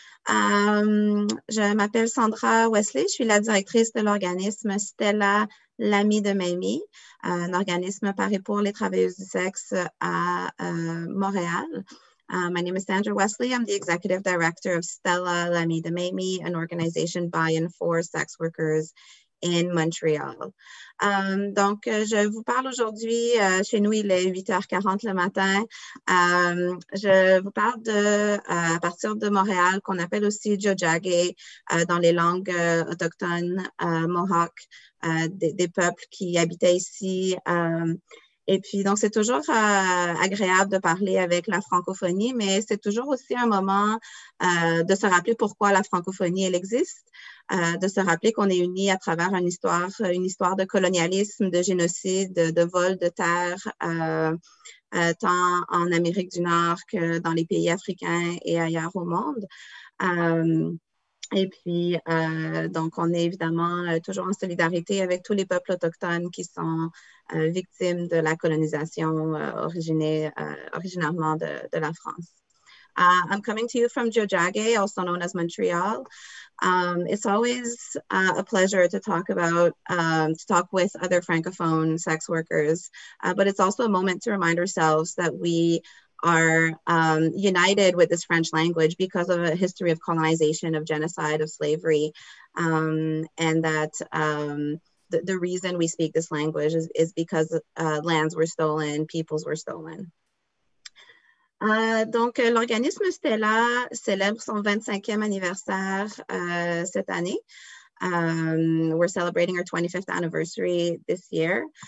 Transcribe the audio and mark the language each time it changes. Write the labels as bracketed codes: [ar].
[fr] Je m'appelle Sandra Wesley, je suis la directrice de l'organisme Stella L'Ami de Mamie, un organisme paré pour les travailleuses du sexe à Montréal. [en] My name is Sandra Wesley, I'm the executive director of Stella L'Ami de Mamie, an organization by and for sex workers in Montreal. [fr] Donc, je vous parle aujourd'hui, chez nous, il est 8h40 le matin. Je vous parle de, à partir de Montréal, qu'on appelle aussi Jojage, dans les langues autochtones, Mohawk, des peuples qui habitaient ici. Et puis, donc, c'est toujours agréable de parler avec la francophonie, mais c'est toujours aussi un moment de se rappeler pourquoi la francophonie, elle existe. De se rappeler qu'on est unis à travers une histoire de colonialisme, de génocide, de vol de terres, tant en Amérique du Nord que dans les pays africains et ailleurs au monde. Donc, on est évidemment toujours en solidarité avec tous les peuples autochtones qui sont victimes de la colonisation originairement de la France. [en] I'm coming to you from Jojage, also known as Montreal. It's always a pleasure to talk about, to talk with other Francophone sex workers, but it's also a moment to remind ourselves that we are united with this French language because of a history of colonization, of genocide, of slavery, and that the reason we speak this language is because lands were stolen, peoples were stolen. [fr] Donc, l'organisme Stella célèbre son 25e anniversaire cette année. [en] We're celebrating our 25th anniversary this year.